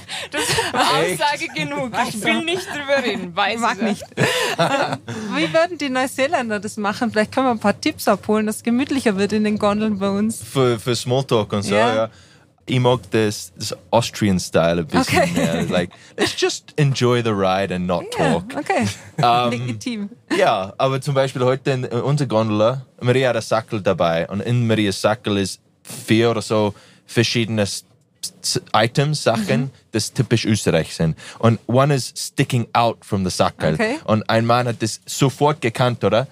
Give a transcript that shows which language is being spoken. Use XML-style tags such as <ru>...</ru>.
<de>Das war Aussage genug. Ich will nicht drüber reden. Weiß mag er nicht. Wie würden die Neuseeländer das machen? Vielleicht können wir ein paar Tipps abholen, dass es gemütlicher wird in den Gondeln bei uns. Für Smalltalk und so, ja. Ich mag das Austrian Style ein bisschen mehr.</de> <en>Like, let's just enjoy the ride and not talk.</en> <de>Okay. Legitim. Ja, aber zum Beispiel heute unser Gondler, Maria hat ein Sackel dabei. Und in Marias Sackel ist vier oder so verschiedene Items, Sachen, das typisch Österreich sind. Und</de> <en>one is sticking out from the Sackerl.</en> <de>Okay. Und ein Mann hat das sofort gekannt, oder?</de>